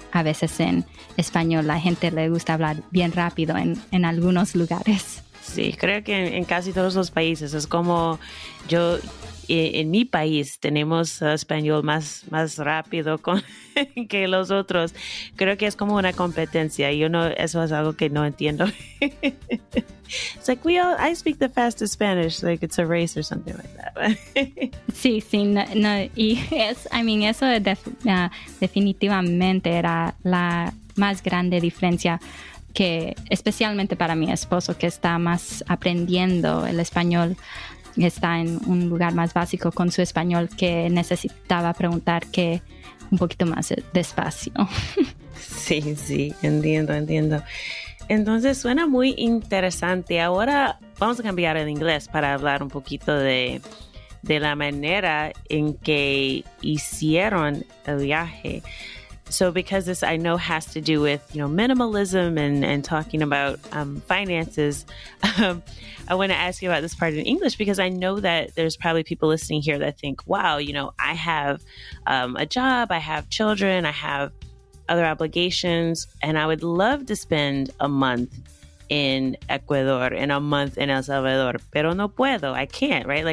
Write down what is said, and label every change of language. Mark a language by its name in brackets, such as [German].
[Spanish] A veces en español la gente le gusta hablar bien rápido en algunos lugares. Sí, creo que en casi todos los países es como yo, en mi país tenemos español más rápido que los otros. Creo que es como una competencia. Yo no, eso es algo que no entiendo. [English] It's like I speak the fastest Spanish, like it's a race or something like that. [Spanish] sí, no, y es, [English] I mean, [Spanish] eso definitivamente era la más grande diferencia. Que especialmente para mi esposo que está más aprendiendo el español, está en un lugar más básico con su español, que necesitaba preguntar que un poquito más despacio. Sí, entiendo. Entonces suena muy interesante. Ahora vamos a cambiar el inglés para hablar un poquito de la manera en que hicieron el viaje. [English] So because this, I know, has to do with, you know, minimalism and talking about finances, I want to ask you about this part in English, because I know that there's probably people listening here that think, wow, you know, I have a job, I have children, I have other obligations, and I would love to spend a month in Ecuador and a month in El Salvador, [Spanish] pero no puedo, [English] I can't, right?